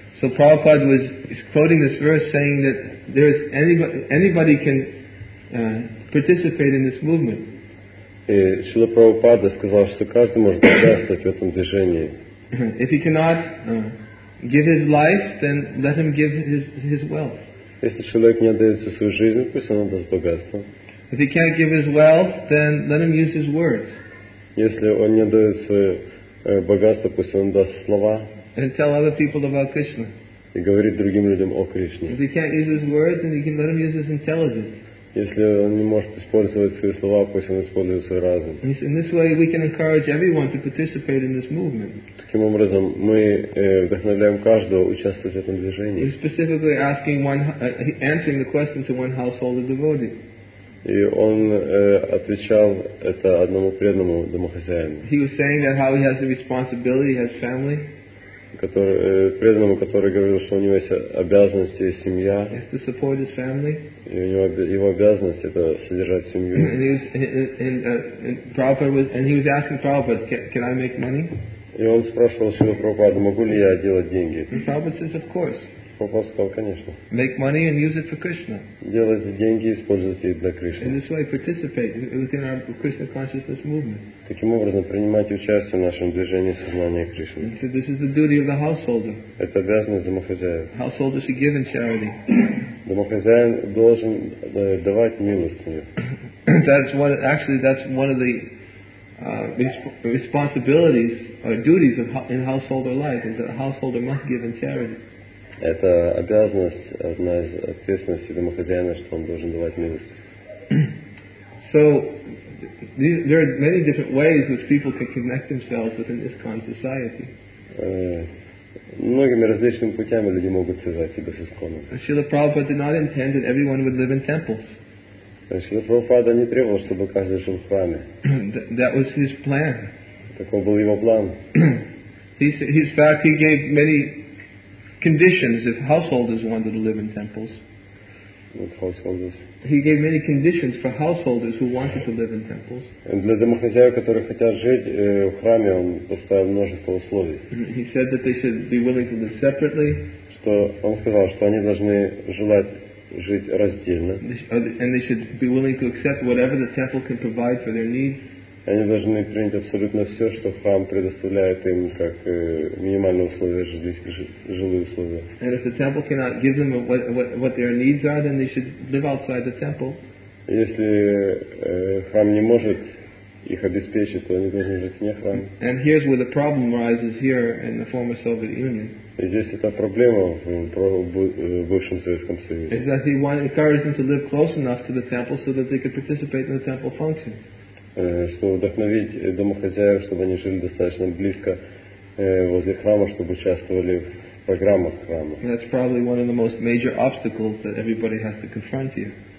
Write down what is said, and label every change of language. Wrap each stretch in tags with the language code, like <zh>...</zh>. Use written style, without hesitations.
<en>So Prabhupada was quoting this verse saying that there is anybody can participate in this movement.</en> <ru>И Шрила Прабхупада сказал, что каждый может участвовать в этом движении.</ru> <en>If he cannot give his life, then let him give his wealth.</en> <ru>Если человек не отдает свою жизнь, пусть он отдаст богатство.</ru> <en>If he can't give his wealth, then let him use his words.</en> <ru>Если он не отдает свое богатство, пусть он даст слова.</ru> <en>And tell other people about Krishna.</en> <ru>И говорит другим людям о Кришне.</ru> <en>If he can't use his words, then he can let him use his intelligence.</en> <ru>Если он не может использовать свои слова, пусть он использует свой разум.</ru> <en>In this way, we can encourage everyone to participate in this movement.</en> <ru>Таким образом, мы вдохновляем каждого участвовать в этом движении.</ru> <en>We're specifically asking one, answering the question to one householder devotee.</en> <ru>И он отвечал это одному преданному домохозяину.</ru> <en>He was saying that how he has the responsibility, he has family.</en> <ru>Преданному, который говорил, что у него есть обязанности и семья.</ru> <en>He has to support his family.</en> <ru>И у него его обязанность это содержать семью.</ru> <en>And he was asking Prabhupada, can I make money?</en> <ru>И он спрашивал Шрилу Прабхупаду, могу ли я делать деньги?</ru> <en>And Prabhupada says, of course.</en> <ru>Прабхупада сказал, конечно.</ru> <en>Make money and use it for Krishna.</en> <ru>Делайте деньги и используйте их для Кришны.</ru> <en>In this way, participate within our Krishna consciousness movement.</en> <ru>Таким образом, принимайте участие в нашем движении сознания Кришны.</ru> <en>And so this is the duty of the householder.</en> <ru>Это обязанность домохозяев.</ru> <en>Householder should give in charity.</en> <ru>Домохозяин должен давать милостыню.</ru> <en>That's one of the responsibilities or duties of in householder life, and that a householder must give in charity.</en> <ru>Это обязанность, одна из ответственностей домохозяина, что он должен давать милость.</ru> <en>So there are many different ways which people can connect themselves within this kind of society.</en> <ru>Многими различными путями люди могут связать себя с исконом.</ru> <en>Srila Prabhupada did not intend that everyone would live in temples.</en> <ru>Srila Prabhupada не требовал, чтобы каждый жил в храме.</ru> <en>That was his plan.</en> <ru>Таков был его план.</ru> <en>In fact, he gave many conditions if householders wanted to live in temples. With householders. He gave many conditions for householders who wanted to live in temples.</en> <ru>Для домохозяев, которые хотят жить в храме, он поставил множество условий.</ru> <en>He said that they should be willing to live separately.</en> <ru>Что он сказал, что они должны желать жить раздельно.</ru> <en>And they should be willing to accept whatever the temple can provide for their needs.</en> <ru>Они должны принять абсолютно все, что храм предоставляет им как минимальные условия жилые условия.</ru> <en>And if the temple cannot give them what their needs are, then they should live outside the temple.</en> <ru>Если храм не может их обеспечить, то они должны жить вне храма.</ru> <en>And here's where the problem arises here in the former Soviet Union.</en> <ru>И здесь эта проблема в бывшем Советском Союзе.</ru> <en>Is that he encouraged them to live close enough to the temple so that they could participate in the temple function.</en> <ru>Чтобы вдохновить домохозяев, чтобы они жили достаточно близко возле храма, чтобы участвовали в программах храма.</ru> <en>That's probably one of the most major obstacles that everybody has to confront here.</en>